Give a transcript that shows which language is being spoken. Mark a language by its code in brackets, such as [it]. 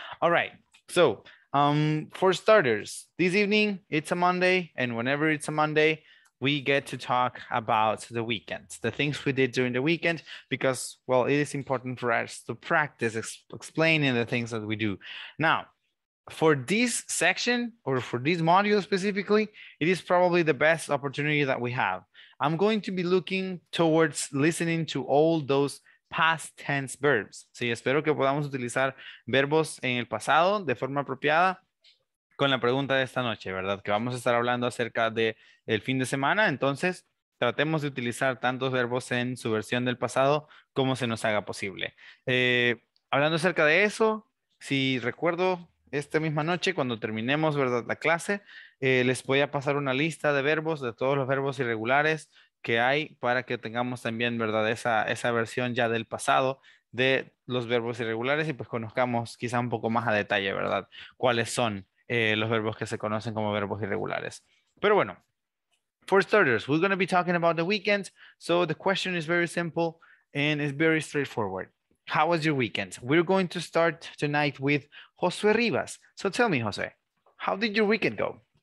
[en] All right, so. For starters, this evening, it's a Monday, and whenever it's a Monday, we get to talk about the weekend, the things we did during the weekend, because, well, it is important for us to practice explaining the things that we do. Now, for this section, or for this module specifically, it is probably the best opportunity that we have. I'm going to be looking towards listening to all those past tense verbs. [es] Sí, espero que podamos utilizar verbos en el pasado de forma apropiada con la pregunta de esta noche, ¿verdad? Que vamos a estar hablando acerca de el fin de semana. Entonces, tratemos de utilizar tantos verbos en su versión del pasado como se nos haga posible. Hablando acerca de eso, si recuerdo esta misma noche cuando terminemos, ¿verdad? La clase, les voy a pasar una lista de verbos, de todos los verbos irregulares que hay para que tengamos también, ¿verdad?, esa versión ya del pasado de los verbos irregulares y pues conozcamos quizá un poco más a detalle, ¿verdad?, cuáles son los verbos que se conocen como verbos irregulares. Pero bueno, [en] for starters, we're going to be talking about the weekend, so the question is very simple and it's very straightforward. How was your weekend? We're going to start tonight with Josué Rivas. So tell me, Josué, how did your weekend go?